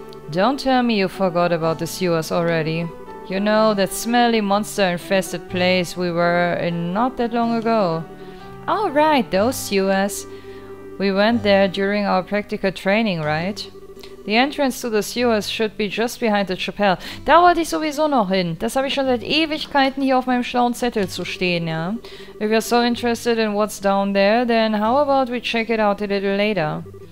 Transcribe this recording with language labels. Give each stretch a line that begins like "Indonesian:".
English: Don't tell me you forgot about the sewers already. You know, that smelly monster-infested place we were in not that long ago. Oh, right, those sewers. We went there during our practical training, right? The entrance to the sewers should be just behind the chapel.
German: Da wollte ich sowieso noch hin. Das habe ich schon seit Ewigkeiten hier auf meinem schlauen Zettel zu stehen, ja.
English: If you're so interested in what's down there, then how about we check it out a little later?